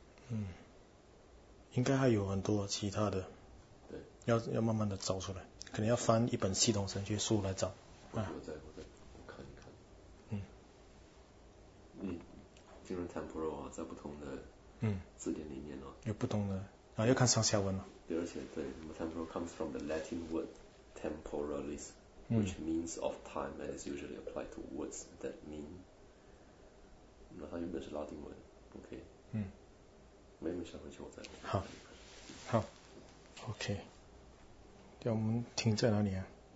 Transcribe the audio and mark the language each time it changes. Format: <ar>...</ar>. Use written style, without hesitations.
<zh>嗯。应该还有很多其他的，对，要慢慢的找出来，可能要翻一本系统神学书来找。我再看一看。嗯。嗯，进入 temporal 啊，在不同的字典里面哦、啊。有不同的啊，要看上下文了、啊。对，而且对，那么</zh> <en>temporal comes from the Latin word temporalis, which means of time and is usually applied to words that mean.</en> <zh>那它原本是拉丁文 ，OK。嗯。没什么想问题，我再好，OK。我们停在哪里啊？</zh>